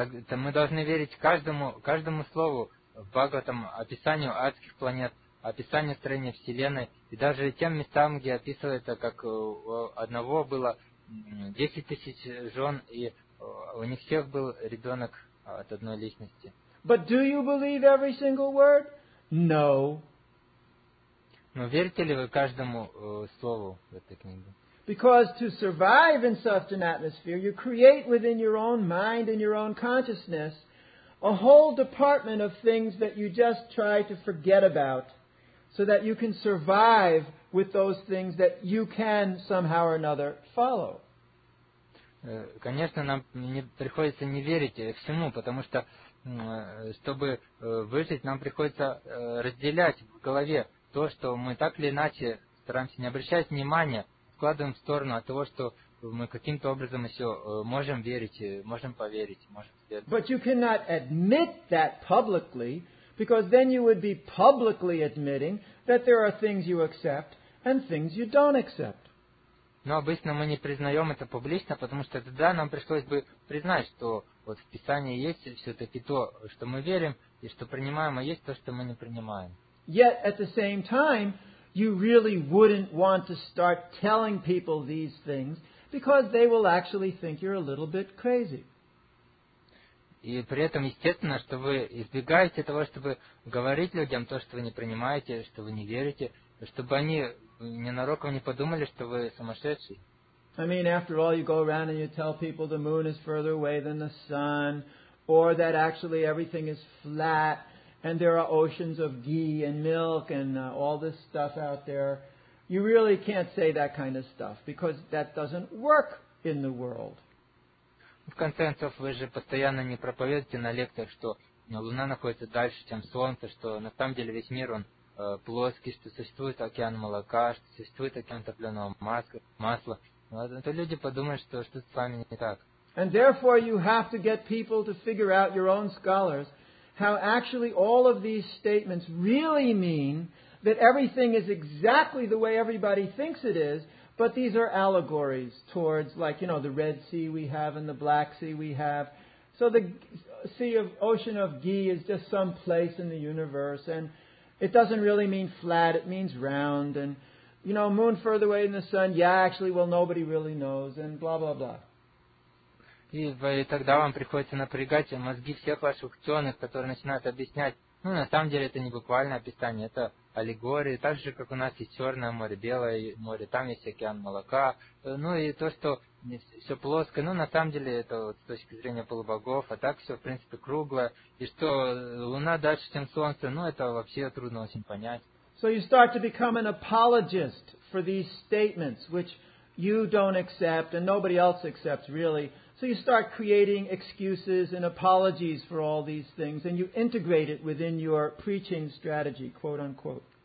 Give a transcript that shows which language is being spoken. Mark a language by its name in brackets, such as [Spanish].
[Russian] Мы должны верить каждому слову в Бхагаватам, описанию адских планет, описание строения Вселенной, и даже тем местам, где описывается, как у одного было 10 тысяч жен, и у них всех был ребенок от одной личности. [English] But do you believe every single word? No. [Russian] Но верите ли вы каждому слову в этой книге? [English] Because to survive in such an atmosphere, you create within your own mind and your own consciousness a whole department of things that you just try to forget about, so that you can survive with those things that you can somehow or another follow. [Russian] Конечно, нам не приходится не верить всему, потому что чтобы выжить, нам приходится разделять в голове то, что мы так или иначе стараемся не обращать внимания, складываем в сторону от того, что мы каким-то образом еще можем верить, можем поверить, можем следовать. [English] But you cannot admit that publicly, because then you would be publicly admitting that there are things you accept and things you don't accept. [Russian] Но обычно мы не признаем это публично, потому что тогда нам пришлось бы признать, что вот в Писании есть все-таки то, что мы верим, и что принимаем, а есть то, что мы не принимаем. [English] Yet at the same time, you really wouldn't want to start telling people these things, because they will actually think you're a little bit crazy. [Russian] И при этом, естественно, что вы избегаете того, чтобы говорить людям то, что вы не принимаете, что вы не верите, чтобы они ненароком не подумали, что вы сумасшедший. [English] I mean, after all, you go around and you tell people the moon is further away than the sun, or that actually everything is flat, and there are oceans of ghee and milk and all this stuff out there. You really can't say that kind of stuff, because that doesn't work in the world. [Russian] В конце концов, вы же постоянно не проповедуете на лекциях, что Луна находится дальше, чем Солнце, что на самом деле весь мир, он плоский, что существует океан молока, что существует океан топленого масла. То люди подумают, что что-то с вами не так. [English] And therefore you have to get people to figure out, your own scholars, how actually all of these statements really mean that everything is exactly the way everybody thinks it is, but these are allegories towards, like, you know, the Red Sea we have and the Black Sea we have. So the sea of ocean of ghee is just some place in the universe, and it doesn't really mean flat, it means round, and, you know, moon further away than the sun, yeah, actually, well, nobody really knows, and blah, blah, blah. [Russian] И тогда вам приходится напрягать мозги всех ваших ученых, которые начинают объяснять, ну, на самом деле, это не буквальное описание, это аллегории, так же, как у нас есть Черное море, Белое море, там есть океан молока, ну, и то, что все плоское, ну, на самом деле, это вот с точки зрения полубогов, а так все, в принципе, круглое, и что Луна дальше, чем Солнце, ну, это вообще трудно очень понять. [English] So you start to become an apologist for these statements, which you don't accept and nobody else accepts, really. So you start creating excuses and apologies for all these things, and you integrate it within your preaching strategy, quote unquote.